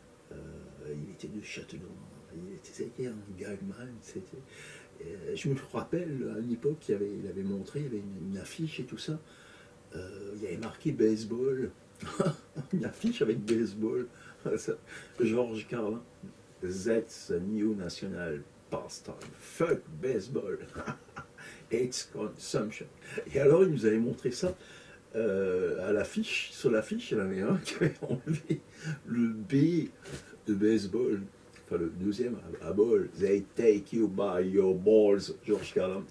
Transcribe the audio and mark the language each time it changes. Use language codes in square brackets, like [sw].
[fr] Il était de Châtenois. C'était un gagman. Je me rappelle à l'époque, il avait montré, il y avait une affiche et tout ça. Il y avait marqué baseball. Une affiche avec baseball. George Carlin. [en] That's a new national pastime. Fuck baseball. It's consumption. [fr] Et alors, il nous avait montré ça à l'affiche. Sur l'affiche, il y en avait un qui avait enlevé le B de baseball. Enfin, le deuxième à ball. [en] They take you by your balls, George Carlin.